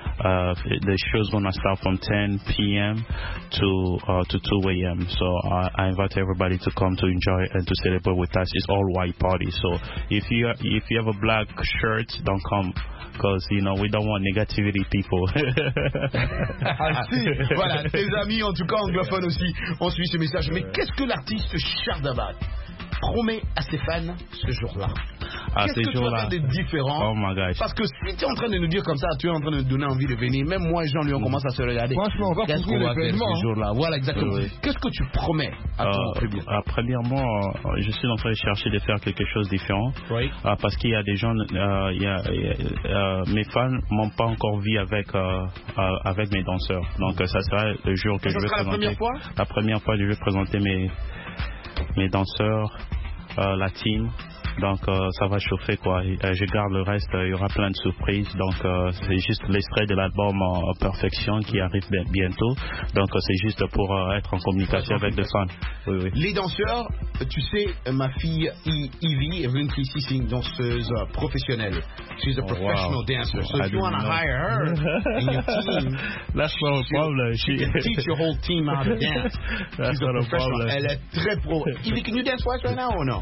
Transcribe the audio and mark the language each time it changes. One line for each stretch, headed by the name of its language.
English: The show is gonna start from 10 p.m. to 2 a.m. So I invite everybody to come to enjoy and to celebrate with us. It's All White Party. So if you have a black shirt, don't come. Because, you know, we don't want negativity, people.
French: Merci. Voilà, tes amis, en tout cas anglophones aussi, ont suivi ce message. Mais qu'est-ce que l'artiste Chardabat promet à ses fans ce jour-là? Qu'est-ce ce jour-là. Qu'est-ce que tu vas faire de différent?
English: Oh my gosh.
French: Parce que si tu es en train de nous dire comme ça, tu es en train de nous donner envie de venir. Même moi et Jean-Louis, on commence à se regarder. Franchement, on va qu'est-ce pour ce jour-là. Voilà, exactement. Oui. Qu'est-ce que tu promets à ton public? Premièrement, je suis en train de chercher de faire quelque chose de différent. Oui. Parce qu'il y a des gens. Mes fans m'ont pas encore vu avec mes danseurs. Donc ça sera le jour que je vais présenter. La première fois? La première fois que je vais présenter mes danseurs, la team. Donc ça va chauffer quoi. Je garde le reste, il y aura plein de surprises. Donc c'est juste l'extrait de l'album Perfection qui arrive bientôt. Donc c'est juste pour être en communication avec les fans. Oui, oui. Les danseurs, tu sais, ma fille Ivy est venue ici, c'est une danseuse professionnelle.
English: She's a professional dancer. So if you want to hire her in your team, that's not a problem. She can teach your whole team how to dance. That's not a problem.
French: Elle est très pro.
English: Ivy, can you dance for us right now or no?